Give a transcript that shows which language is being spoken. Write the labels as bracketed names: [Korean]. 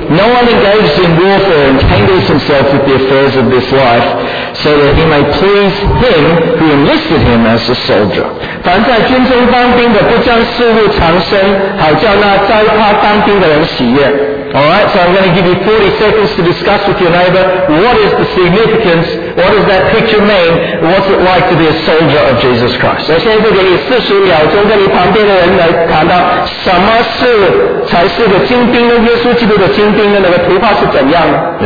[English] No one engages in warfare entangles himself with the affairs of this life, so that he may please him who enlisted him as a soldier. [Chinese] 凡在军中当兵的，不将事务缠身，好叫那招他当兵的人喜悦。 [English] Alright, so I'm going to give you 40 seconds to discuss with your neighbor what is the significance, what does that picture mean, what's it like to be a soldier of Jesus Christ. [Chinese] 我现在给你40秒钟跟你旁边的人来谈到什么是才是个精兵的耶稣基督的精兵的那个图画是怎样的。